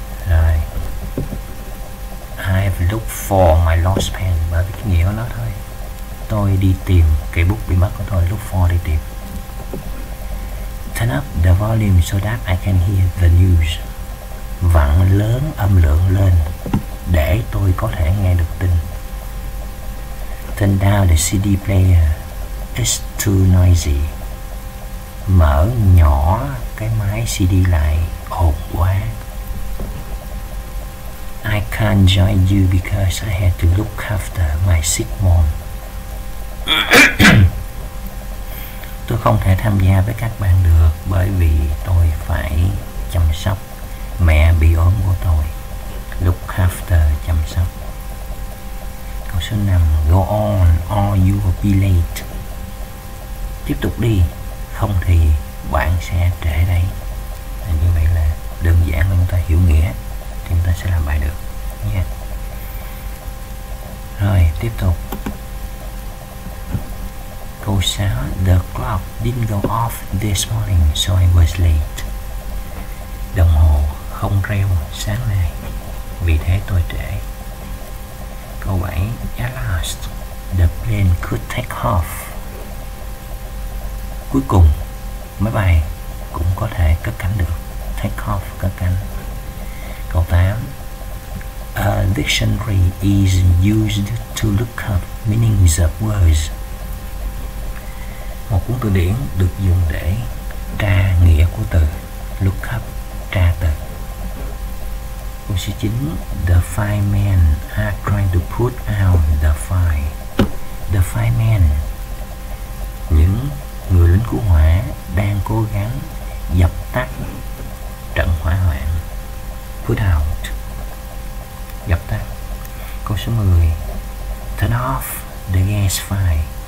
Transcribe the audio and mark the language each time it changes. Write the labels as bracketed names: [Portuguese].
[Vietnamese] Rồi, [English] I've looked for my lost pen, [Vietnamese] bởi vì cái nghĩa của nó thôi. Tôi đi tìm cây bút bị mất của tôi, look for đi tìm. [English] Turn up the volume so that I can hear the news, [Vietnamese] vặn lớn âm lượng lên để tôi có thể nghe được tin. [English] Turn down the CD player, it's too noisy. [Vietnamese] Mở nhỏ cái máy CD lại, ồn quá. [English] I can't join you because I had to look after my sick mom. [Vietnamese] Tôi không không thể tham gia với các bạn được bởi vì tôi phải chăm sóc mẹ bị ốm của tôi. Look after, chăm sóc. Câu số 5, [English] go on or you will be late. [Vietnamese] Tiếp tục đi, không thì bạn sẽ trễ đấy. Và như vậy là đơn giản, chúng ta hiểu nghĩa thì chúng ta sẽ làm bài được nha. Rồi, tiếp tục. Câu 6, [English] the clock didn't go off this morning, so I was late. [Vietnamese] Đồng hồ không reo sáng nay, vì thế tôi trễ. Câu 7, [English] at last, the plane could take off. [Vietnamese] Cuối cùng, máy bay cũng có thể cất cánh được. Take off, cất cánh. Câu 8, [English] a dictionary is used to look up meanings of words. [Vietnamese] Một cuốn từ điển được dùng để tra nghĩa của từ. Look up, tra từ. Câu số 9, [English] the firemen are trying to put out the fire. [Vietnamese] The firemen, những người lính cứu hỏa đang cố gắng dập tắt trận hỏa hoạn. Put out, dập tắt. Câu số 10, [English] turn off the gas fire.